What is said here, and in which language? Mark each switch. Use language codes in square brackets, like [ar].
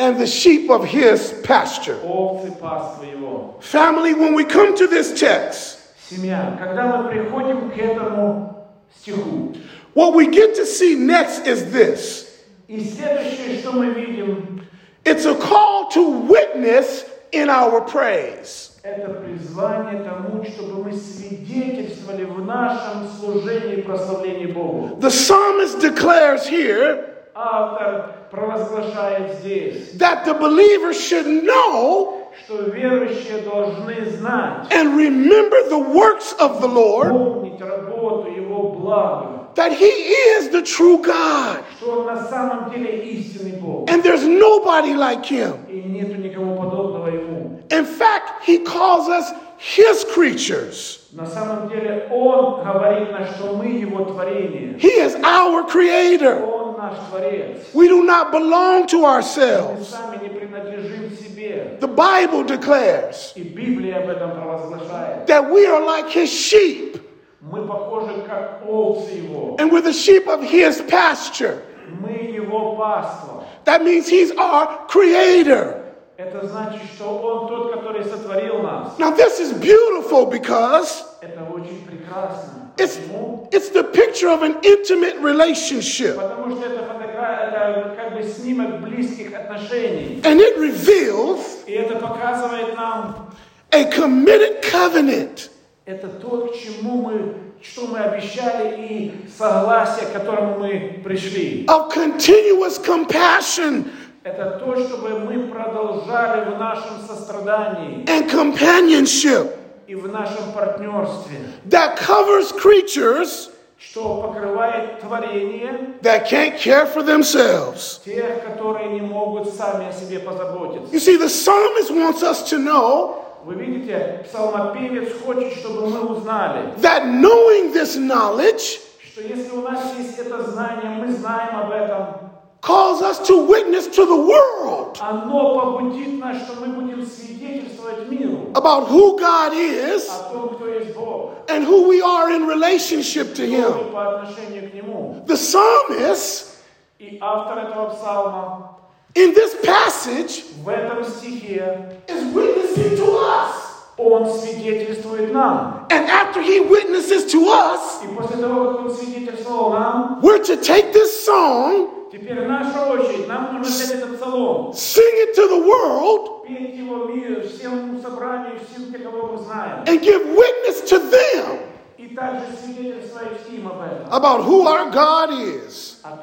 [en] And the sheep of His pasture. [ru] Овцы пасты Его. [en] Family, when we come to this text. [ru] Семья, когда мы приходим к этому стиху. [en] What we get to see next is this. [ru] И следующее, что мы видим. [en] It's a call to witness in our praise. [ru] Это призвание тому, чтобы мы свидетельствовали в нашем служении и прославлении Богу. [en] The psalmist declares here [ru] автор провозглашает здесь [en] that the believer should know [ru] что верующие должны знать [en] and remember the works of the Lord [ru] помнить работу Его блага [en] that He is the true God [ru] что Он на самом деле истинный Бог [en] and there's nobody like Him [ru] и нету никого подобного Ему. [en] In fact, He calls us His creatures. [ru] На самом деле, Он говорит нам, что мы Его творение. [en] He is our creator. [ru] Он наш творец. [en] We do not belong to ourselves. [ru] Мы сами не принадлежим себе. [en] The Bible declares [ru] и Библия об этом провозглашает. [en] That we are like His sheep. [ru] Мы похожи как овцы Его. [en] And we're the sheep of His pasture. [ru] Мы Его паство. [en] That means He's our creator. [ru] Это значит, что Он тот, который сотворил нас. [en] Now this is beautiful because [ru] это очень прекрасно. [en] It's the picture of an intimate relationship. [ru] Потому что это фотография, это как бы снимок близких отношений. [en] And it reveals [ru] и это показывает нам [en] a committed covenant. [ru] Это то, к чему мы, что мы обещали и согласие, к которому мы пришли. [en] Of continuous compassion. [ru] Это то, чтобы мы продолжали в нашем сострадании. [en] And companionship. [ru] И в нашем партнерстве. [en] That covers creatures. [ru] Что покрывает творение. [en] That can't care for themselves. [ru] Тех, которые не могут сами о себе позаботиться. [en] You see, the psalmist wants us to know. [ru] Вы видите, псалмопевец хочет, чтобы мы узнали. [en] That knowing this knowledge. [ru] Что если у нас есть это знание, мы знаем об этом. [en] Calls us to witness to the world [ru] оно побудит нас, что мы будем свидетельствовать миру [en] about who God is [ru] о том, кто есть Бог [en] and who we are in relationship to Him. [ru] По отношению к Нему. [en] The psalmist [ru] и автор этого псалма [en] in this passage [ru] в этом стихе [en] is witnessing to us. [ru] Он свидетельствует нам. [en] And after he witnesses to us [ru] и после того, как он свидетельствовал нам [en] we're to take this song [ru] теперь наша очередь, нам нужно взять этот псалом. [en] Sing it to the world. [ru] Петь его миру, всем собранию, всем, кого мы знаем. [en] And give witness to them. about who our God is.